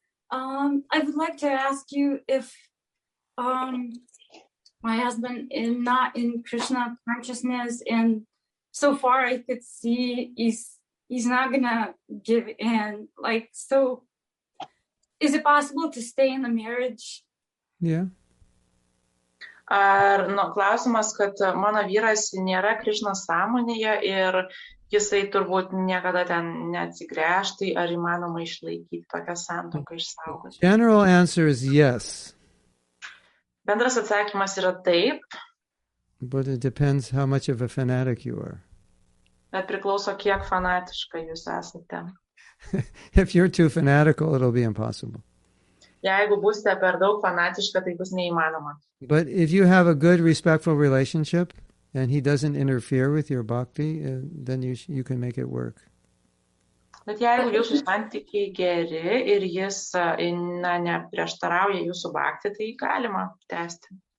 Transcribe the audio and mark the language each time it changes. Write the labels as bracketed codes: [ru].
[en] I would like to ask you if my husband is not in Krishna consciousness, and so far I could see he's he's not gonna give in. Like, so is it possible to stay in the marriage? Yeah. [lt] Ar, nu, klausimas, kad mano vyras nėra Krišnos sąmonėje ir jisai turbūt niekada ten neatsigrėžtų, ar įmanoma išlaikyti tokią santuoką išsaugoti. [en] General answer is yes. [lt] Bendras atsakymas yra taip. [en] But it depends how much of a fanatic you are. [lt] Bet priklauso, kiek fanatiška jūs esate. [en] If you're too fanatical, it'll be impossible. [lt] Jeigu būsite per daug fanatiška, tai bus neįmanoma. [en] But if you have a good, respectful relationship and he doesn't interfere with your bhakti, then you can make it work. [lt] Bet jeigu jūsų santykiai geri ir jis neprieštarauja jūsų bhakti, tai galima tęsti.